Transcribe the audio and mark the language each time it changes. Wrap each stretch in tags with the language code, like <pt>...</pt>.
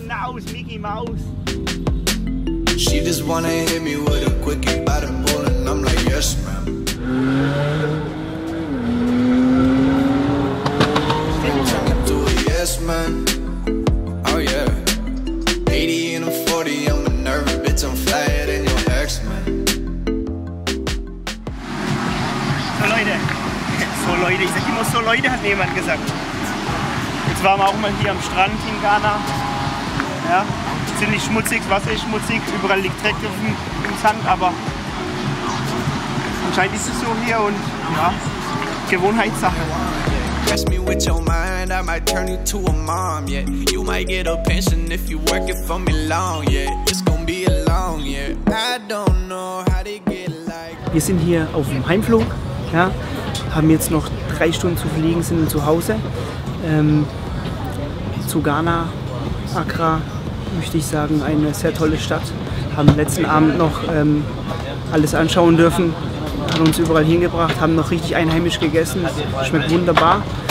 <en>She just wanna hit me with a quickie by the pool and I'm like, yes, ma'am. Turn me to a yes, man. Oh, yeah. 80 and a 40, I'm a nervous bitch, I'm flyer than your ex, man.</en> <de>So, Leute, ich sag immer so, Leute, hat mir jemand gesagt. Jetzt waren wir auch mal hier am Strand in Ghana. Ja. Ziemlich schmutzig, das Wasser ist schmutzig, überall liegt Dreck im Sand, aber anscheinend ist es so hier und ja, Gewohnheitssache.</de> <en>Press me with your mind, I might turn you to a mom, yeah. You might get a pension if you work it for me long, yeah. It's gonna be a long, yeah. I don't know how to get like.</en> <de>Wir sind hier auf dem Heimflug, ja, haben jetzt noch 3 Stunden zu fliegen, sind zu Hause. Zu Ghana, Accra. Möchte ich sagen, eine sehr tolle Stadt. Haben letzten Abend noch alles anschauen dürfen, haben uns überall hingebracht, haben noch richtig einheimisch gegessen, schmeckt wunderbar.</de>